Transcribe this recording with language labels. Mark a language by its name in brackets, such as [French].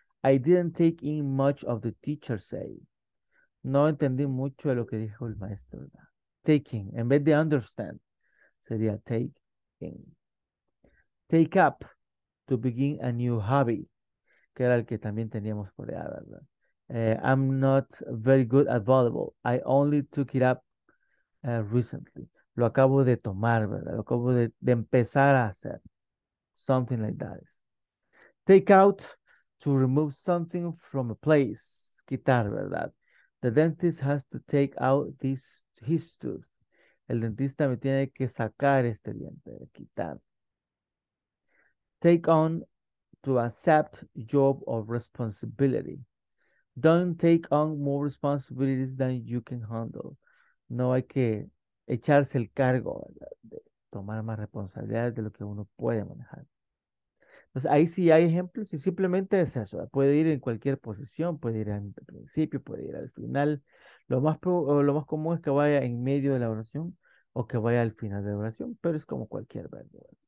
[English] I didn't take in much of the teacher say. [Spanish] No entendí mucho de lo que dijo el maestro. [English] Take in. [Spanish] En vez de understand, sería take in. [English] Take up, to begin a new hobby, [Spanish] que era el que también teníamos por allá, ¿verdad? [English] I'm not very good at volleyball. I only took it up recently. [Spanish] Lo acabo de tomar, ¿verdad? Lo acabo de empezar a hacer. [English] Something like that. Take out, to remove something from a place. [Spanish] Quitar, ¿verdad? [English] The dentist has to take out his tooth. [Spanish] El dentista me tiene que sacar este diente, quitar. [English] Take on, to accept job or responsibility. Don't take on more responsibilities than you can handle. [Spanish] No hay que echarse el cargo de tomar más responsabilidades de lo que uno puede manejar. Entonces, ahí sí hay ejemplos y simplemente es eso. Puede ir en cualquier posición, puede ir al principio, puede ir al final. Lo más común es que vaya en medio de la oración o que vaya al final de la oración, pero es como cualquier verbo.